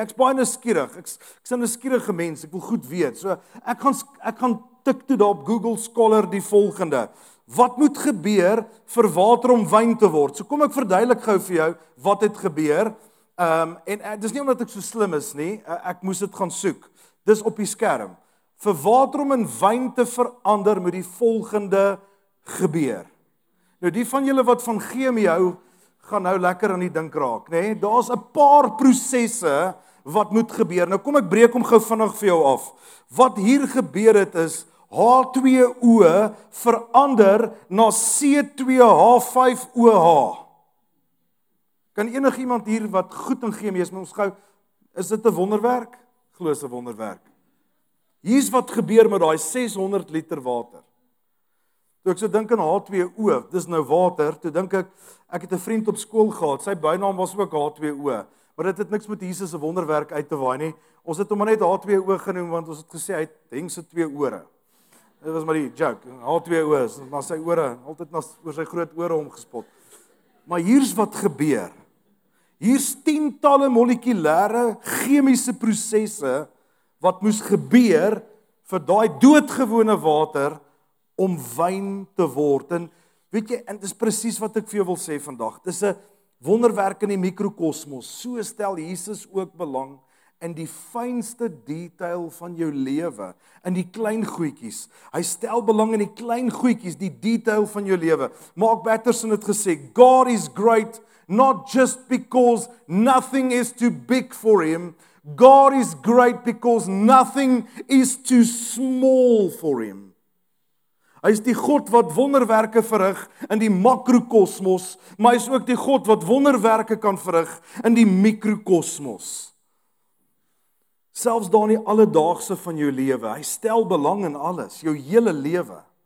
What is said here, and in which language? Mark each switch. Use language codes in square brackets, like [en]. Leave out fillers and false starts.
[af] Ek's baie nuuskierig. Ek's 'n nuuskierige mens. Ek wil goed weet. So ek gaan tik toe daar op Google Scholar die volgende. Wat moet gebeur vir water om wyn te word? So kom ek verduidelik gou vir jou wat het gebeur. Dis nie omdat ek so slim is nie. Ek moes dit gaan soek. Dis op die skerm. Vir water om in wyn te verander, moet die volgende gebeur. Nou die van julle wat van chemie hou, gaan nou lekker aan die dink raak, nê? Daar's 'n paar prosesse wat moet gebeur. Nou kom ek breek om gou vinnig vir jou af. Wat hier gebeur het is, H2O verander na C2H5OH. Kan enig iemand hier wat goed in chemie is, met ons gou, is dit 'n wonderwerk? Gloos 'n wonderwerk. Hier is wat gebeur met die 600 liter water. Toe ek so dink in H2O, dis nou water, toe dink ek, ek het 'n vriend op skool gehad, sy bynaam was ook H2O, maar dit het niks met Jesus' wonderwerk uit te waai nie. Ons het hom net H2O genoem, want ons het gesê, hy het hengse twee ore. Dit was maar die joke, H2O is na sy ore, altyd na oor sy groot ore omgespot. Maar hier's wat gebeur. Hier's tientalle molekulêre chemiese prosesse wat moes gebeur vir daai doodgewone water om wyn te word. En weet jy, en dis presies wat ek vir jou wil sê vandag. Dis 'n wonderwerk in die mikrokosmos. So stel Jesus ook belang in die fynste detail van jou lewe, in die klein goedjies. Hy stel belang in die klein goedjies, die detail van jou lewe. [en] Mark Batterson [af] het gesê, [en] God is great, not just because nothing is too big for him. God is great because nothing is too small for him. [af] Hy is die God wat wonderwerke verrig in die makrokosmos, maar hy is ook die God wat wonderwerke kan verrig in die mikrokosmos. Selfs daar in die alledaagse van jou lewe, hy stel belang in alles, jou hele lewe.